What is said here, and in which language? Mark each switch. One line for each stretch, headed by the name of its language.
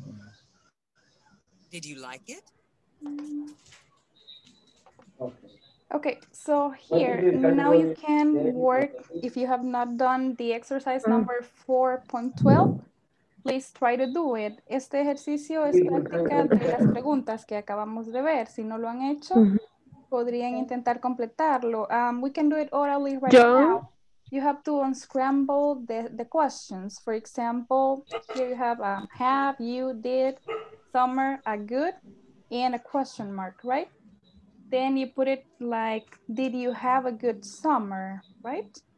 English: Oh. Did you like it? Okay, so here now you can work if you have not done the exercise number 4.12. Please try to do it.
Spanish: Este ejercicio es práctica de las preguntas que acabamos de ver. Si no lo han hecho, podrían intentar completarlo.
English: We can do it orally right now. You have to unscramble the questions. For example, here you have have, you, did, summer, a good, and a question mark, right? Then you put it like, did you have a good summer, right?